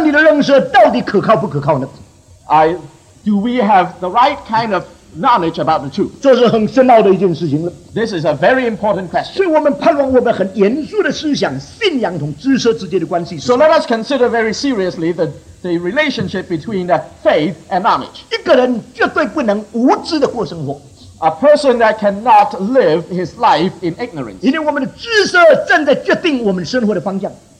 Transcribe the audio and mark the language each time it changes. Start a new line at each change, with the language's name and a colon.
Chinese: 这个真理的那个主观的真理性并不因为我们的这个了解的错误而改变。亲爱的朋友们，今天我们对真理的认识到底可靠不可靠呢？
English: Do we have the right kind of knowledge about the truth?
Chinese: 这是很深奥的一件事情了。
English: This is a very important question.
Chinese: 所以我们盼望我们很严肃的思想、信仰同知识之间的关系。
English: So let us consider very seriously the relationship between faith and knowledge.
Chinese: 一个人绝对不能无知的过生活。
English: A person that cannot live his life in ignorance.
Chinese: 因为我们的知识正在决定我们生活的方向。